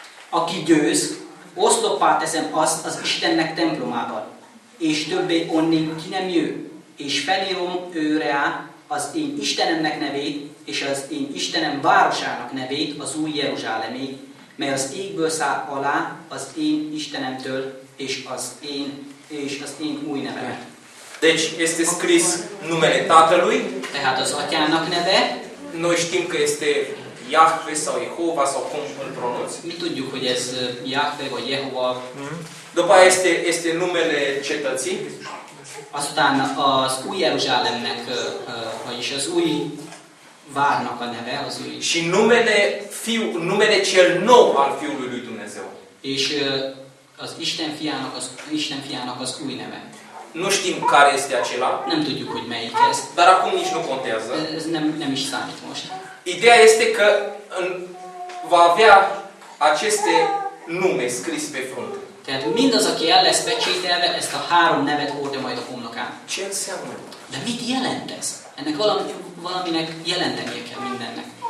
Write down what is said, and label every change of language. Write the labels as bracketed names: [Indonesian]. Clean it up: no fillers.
[Hungarian] Aki győz, oszlopá teszem azt az Istennek templomában, és többé onnén ki nem jő, és felírom őre az én Istenemnek nevét, és az én Istenem városának nevét, az új Jeruzsálemé, mely az égből száll alá az én Istenemtől, és az én új nevemet. [Romanian] Deci, este scris numele tatălui. [Hungarian] Tehát az atyának neve. [Romanian] Noi știm că este Yahweh sau Jehova sau cum îl pronunți. [Hungarian] Mi tudjuk, hogy ez Yahweh vagy Jehova. [Romanian] După aia este numele cetății. [Hungarian] Azután az új Jeruzsálemnek, vagyis az új várnak a neve az ő. [Romanian] Și numele fiu, numele cel nou al fiului lui Dumnezeu. [Hungarian] És az Isten fiának, az új neve. [Romanian] Nu știm care este acela. [Hungarian] Nem tudjuk, hogy melyik ez. [Romanian] Dar acum nici nu contează. [Hungarian] Ez nem is számít most. [Romanian] Ideea este că va avea aceste nume scris pe frunte. [Hungarian] Tehát mindaz, aki el lesz pecsételve, ezt a három nevet hordja majd a homlokán. [Romanian] Ce înseamnă? [Hungarian] De mit jelent ez? Ennek valaminek jelentenie kell mindennek.